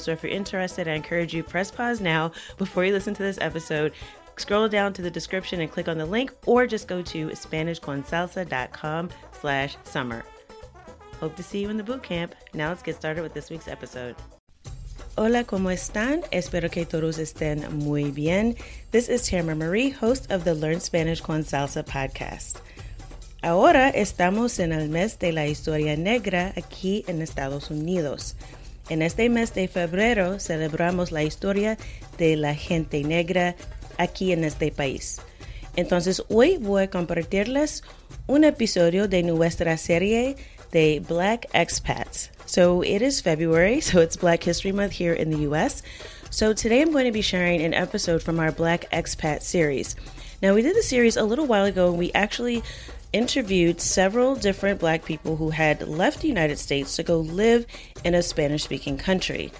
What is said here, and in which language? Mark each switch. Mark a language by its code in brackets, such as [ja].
[en] So if you're interested, I encourage you press pause now before you listen to this episode. Scroll down to the description and click on the link, or just go to SpanishConSalsa.com/summer. Hope to see you in the boot camp. Now let's get started with this week's episode. [es] Hola, ¿cómo están? Espero que todos estén muy bien. [en] This is Tamara Marie, host of the Learn Spanish con Salsa podcast. [es] Ahora estamos en el mes de la historia negra aquí en Estados Unidos. En este mes de febrero celebramos la historia de la gente negra aquí en este país. Entonces hoy voy a compartirles un episodio de nuestra serie de Black Expats. [en] So it is February, so it's Black History Month here in the U.S. So today I'm going to be sharing an episode from our Black Expat series. Now we did the series a little while ago, and we actually interviewed several different Black people who had left the United States to go live in a Spanish-speaking country.